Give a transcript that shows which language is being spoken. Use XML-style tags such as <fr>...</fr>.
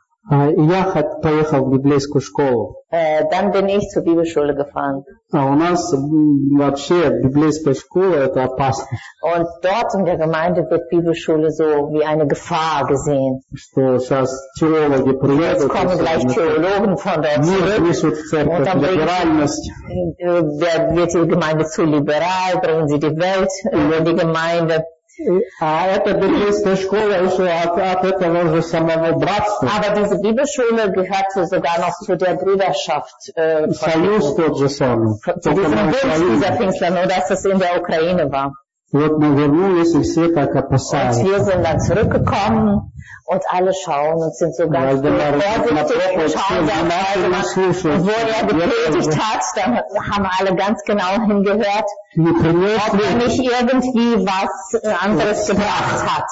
<ru>Я поехал в библейскую школу.</ru> <de>Dann bin ich zur Bibelschule gefahren.</de> <ru>А у нас вообще библейская школа это опасно.</ru> <de>Und dort in der Gemeinde wird Bibelschule so wie eine Gefahr gesehen.</de> <ru>Что сейчас теологи приедут.</ru> <de>Jetzt kommen gleich Theologen von dort zurück.</de> <ru>Мы несут в церковь либеральность.</ru> <de>Wird die Gemeinde zu liberal, bringen sie die Welt über die Gemeinde.</de> <ru>А это библейская школа еще от этого же самого братства.</ru> <de>Aber diese Bibelschule gehört sogar noch zu der Brüderschaft.</de> <ru>Союз тот же самый.</ru> <de>Zu diesem Bund dieser Pfingstler, nur dass es in der Ukraine war.</de> <ru>Вот мы вернулись, и все так опасались.</ru> <de>Und wir sind dann zurückgekommen und alle schauen und sind so ganz vorsichtig und schauen, schon, wo er gepredigt hat. Dann haben alle ganz genau hingehört, ob er nicht irgendwie was anderes gebracht hat.</de>